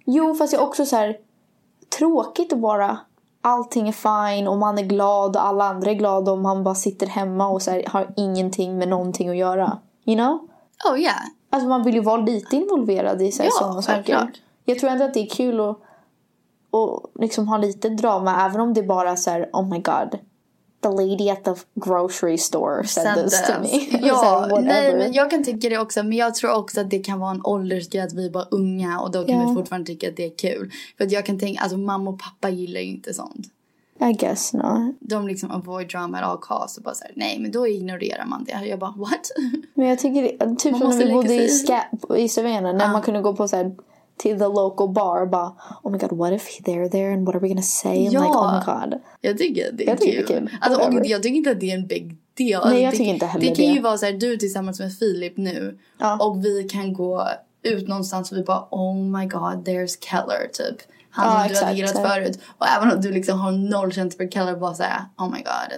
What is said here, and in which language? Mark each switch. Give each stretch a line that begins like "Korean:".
Swedish: Jo, fast jag också såhär, tråkigt att bara, allting är fine och man är glad och alla andra är glada och man bara sitter hemma och såhär, har ingenting med någonting att göra.
English: You know? Oh yeah.
Swedish: Alltså man vill ju vara lite involverad i såhär, sådana saker. Ja, klart. Jag tror ändå att det är kul att liksom ha lite drama, även om det är bara såhär,
English: oh my god. The lady at the grocery store said this to me.
Swedish: Ja, nej, men jag kan tycka det också. Men jag tror också att det kan vara en åldersgrej att vi är bara unga. Och då kan vi fortfarande tycka att det är kul. För att jag kan tänka, alltså mamma och pappa gillar ju inte sånt.
English: I guess not.
Swedish: De liksom
English: avoid drama at all costs.
Swedish: Och bara såhär, nej, men då ignorerar man det. Jag bara, what? Men jag tycker det, typ som när vi bodde i Savannah. När man kunde gå på såhär...
English: Till the local bar, bara, oh my god, what if they're there and what are we gonna say? And like, oh my god.
Swedish: Jag tycker det är kul. Alltså, och jag tycker inte att det är en big deal. Nej, jag tycker inte heller det. Det kan ju vara så här, du tillsammans med Filip nu. Ja. Och vi kan gå ut någonstans och vi bara,
English: oh my god, there's Keller,
Swedish: typ. Han har du agerat förut. Och även om du liksom har noll känt för Keller, bara säga,
English: oh my god.